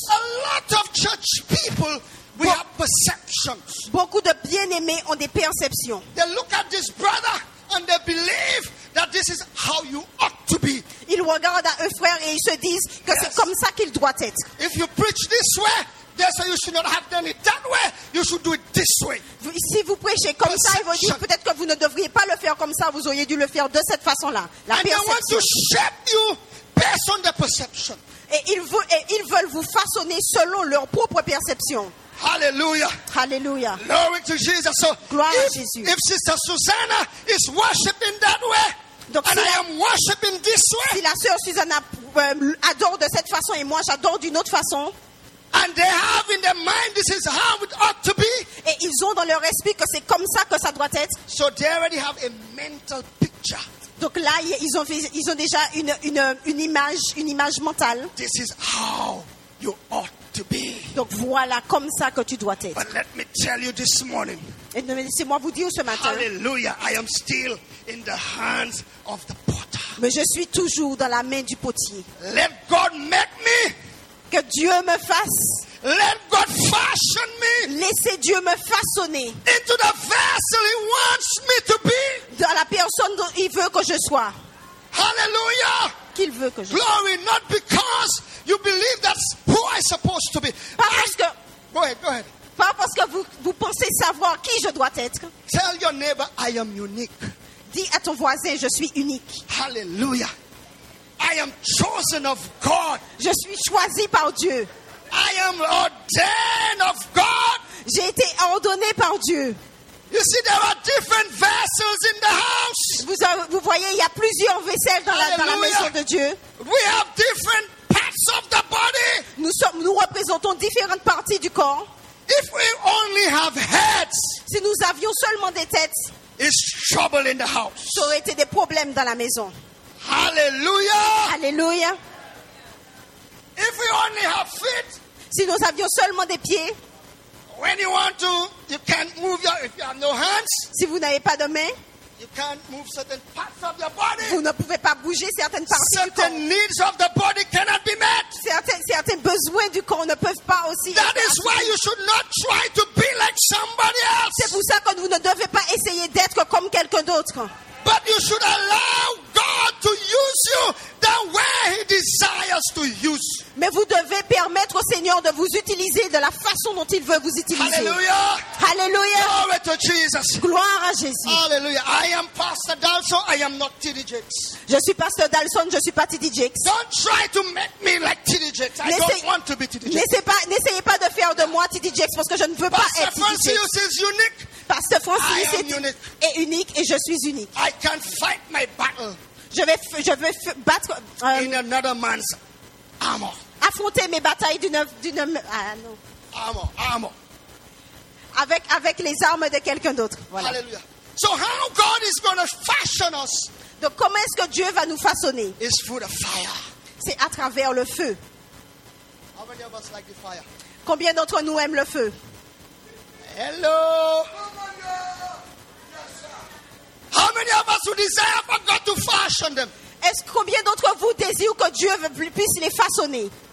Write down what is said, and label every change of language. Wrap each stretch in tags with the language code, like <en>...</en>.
<en>A lot of church people, we have perceptions.</en> <fr>Beaucoup de bien-aimés ont des perceptions.</fr> <en>They look at this brother and they believe that this is how you ought to be.</en> <fr>Ils regarde à un frère et ils se disent que c'est comme ça qu'il doit être.</fr> <en>If you preach this way, they say you should not have done it that way. You should do it this way.</en> <fr>Si vous prêchez comme ça, ils vont dire peut-être que vous ne devriez pas le faire comme ça. Vous auriez dû le faire de cette façon-là. La</fr> <en>perception. And they want to shape you based on the perception.</en> <fr>Et ils veulent vous façonner selon leur propre perception.</fr> <en>Hallelujah.</en> <fr>Hallelujah.</fr> <en>Glory to Jesus. So</en> <fr>gloire à Jésus.</fr> <en>If Sister Susanna is worshiping that way, donc, and I am worshiping this way.</en> <fr>Si la sœur Susanna adore de cette façon et moi j'adore d'une autre façon.</fr> <en>And they have in their mind this is how it ought to be.</en> <fr>Et ils ont dans leur esprit que c'est comme ça que ça doit être.</fr> <en>So they already have a mental picture.</en> <fr>Donc là, ils ont déjà une image mentale.</fr> <en>This is how you ought to be.</en> <fr>Donc voilà comme ça que tu dois être.</fr> <en>But let me tell you this morning.</en> <fr>Et laissez-moi vous dire ce matin.</fr> <en>Hallelujah, I am still in the hands of the potter.</en> <fr>Mais je suis toujours dans la main du potier.</fr> <en>Let God make me.</en> <fr>Que Dieu me fasse.</fr> <en>Let God fashion me.</en> <fr>Laissez Dieu me façonner.</fr> <en>Into the vessel he wants me to be.</en> <fr>Dans la personne dont il veut que je sois.</fr> <en>Hallelujah.</en> <fr>Qu'il veut que je</fr> <en>Glory, sois. Not because you believe that's who I'm supposed to be.</en> <fr>Pas parce que.</fr> <en>Go ahead.</en> <fr>Pas parce que vous pensez savoir qui je dois être.</fr> <en>Tell your neighbor I am unique.</en> <fr>Dis à ton voisin je suis unique.</fr> <en>Hallelujah. I am chosen of God.</en> <fr>Je suis choisi par Dieu.</fr> <en>I am ordained of God.</en> <fr>J'ai été ordonné par Dieu.</fr> <en>You see, there are different vessels in the house.</en> <fr>Vous voyez, il y a plusieurs vaisselles dans la maison de Dieu.</fr> <en>We have different parts of the body.</en> <fr>Nous représentons différentes parties du corps.</fr> <en>If we only have heads,</en> <fr>si nous avions seulement des têtes,</fr> <en>it's trouble in the house.</en> <fr>Ça aurait été des problèmes dans la maison.</fr> <en>Hallelujah.</en> <fr>Hallelujah.</fr> <en>If we only have feet,</en> <fr>si nous avions seulement des pieds,</fr> <en>when you want to, you can't move your. If you have no hands,</en> <fr>si vous n'avez pas de mains,</fr> <en>you can't move certain parts of your body.</en> <fr>Vous ne pouvez pas bouger certaines parties</fr> <en>certain</en> <fr>du corps.</fr> <en>Certain needs of the body cannot be met.</en> <fr>Certains besoins du corps ne peuvent pas aussi.</fr> <en>That is why you should not try to be like somebody else.</en> <fr>C'est pour ça que vous ne devez pas essayer d'être comme quelqu'un d'autre.</fr> <en>But you should allow God to use you the way He desires to use.</en> <fr>Mais vous devez permettre au Seigneur de vous utiliser de la façon dont il veut vous utiliser.</fr> <en>Hallelujah.</en> <fr>Hallelujah.</fr> <en>Glory to Jesus.</en> <fr>Gloire à Jésus.</fr> <en>Hallelujah. I am Pastor Dalson. I am not T.D. Jakes.</en> <fr>Je suis Pasteur Dalson. Je suis pas T.D. Jakes.</fr> <en>Don't try to make me like T.D. Jakes. I don't want to be T.D. Jakes.</en> <fr>N'essayez pas de faire de moi T.D. Jakes parce que je ne veux</fr> <en>Pastor</en> <fr>pas être T.D. Jakes.</fr> <en>Pastor Francis is unique.</en> <fr>Pasteur Francis est unique et je suis unique.</fr> <en>I can fight my battle.</en> <fr>Je vais battre.</fr> <en>In another man's armor.</en> <fr>Affronter mes batailles d'une</fr> <en>armor.</en> <fr>Avec les armes de quelqu'un d'autre. Voilà.</fr> <en>Hallelujah. So how God is going to fashion us?</en> <fr>Donc comment est-ce que Dieu va nous façonner?</fr> <en>It's through the fire.</en> <fr>C'est à travers le feu.</fr> <en>How many of us like the fire?</en> <fr>Combien d'entre nous aiment le feu?</fr> <en>Hello. How many of us who desire for God to fashion them?</en> <fr>Est-ce combien d'entre vous désirent que Dieu puisse les façonner?</fr>